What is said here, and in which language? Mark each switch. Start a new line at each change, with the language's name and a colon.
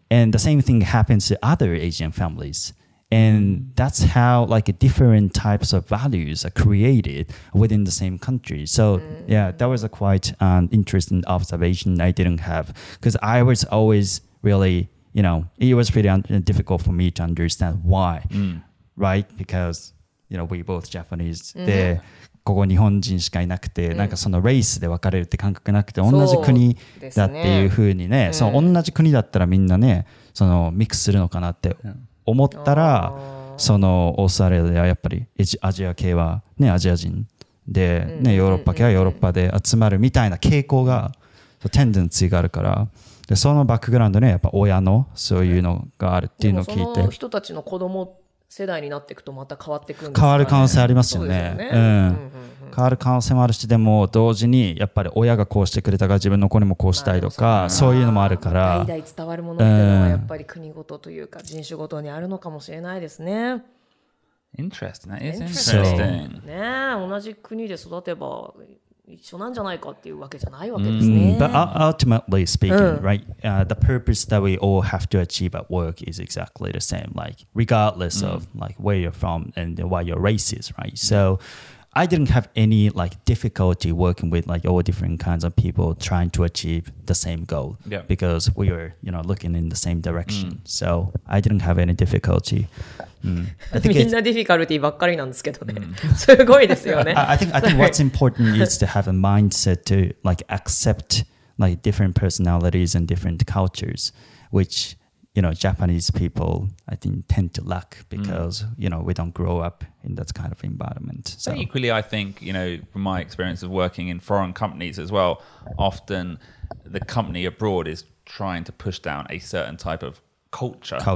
English: And the same thing happens to other Asian families. And that's how like different types of values are created within the same country. So yeah, that was a quite interesting observation I didn't have because I was always really, you know, it was pretty difficult for me to understand why, right? Because, you know, we both Japanese, they're
Japanese: ここ日本人しかいなくて、なんかそのレースで分かれるって感覚なくて、同じ国だっていう風にね、その同じ国だったらみんなね、そのミックスするのかなって思ったら、そのオーストラリアではやっぱりアジア系はね、アジア人で、ね、ヨーロッパ系はヨーロッパで集まるみたいな傾向が、テンデンツがあるから、で、そのバックグラウンドね、やっぱ親のそういうのがあるっていうのを聞いて。その人たちの子供世代になっていくとまた変わっていくんですかね。変わる可能性ありますよね。変わる可能性もあるし、でも同時にやっぱり親がこうしてくれたから自分の子にもこうしたいとか、そういうのもあるから。代々伝わるものっていうのはやっぱり国ごとというか人種ごとにあるのかもしれないですね。
English: Interesting. That is interesting.
Japanese: ね、同じ国で育てば一緒なんじゃないかっていうわけじゃないわけですね。
English: But ultimately speaking, right, the purpose that we all have to achieve at work is exactly the same, like regardless of like where you're from and what your race is, right? So I didn't have any like difficulty working with like all different kinds of people trying to achieve the same goal because we were, you know, looking in the same direction. So I didn't have any difficulty.
Japanese: みんなディフィカルティばっかりなんですけどね。すごいですよね。
English: I think what's important is to have a mindset to like accept like different personalities and different cultures, which, you know, Japanese people, I think, tend to lack because, you know, we don't grow up in that kind of environment. So but equally, I think, you know, from my experience of working in foreign companies as well, often the company abroad is trying to push down a certain type of culture.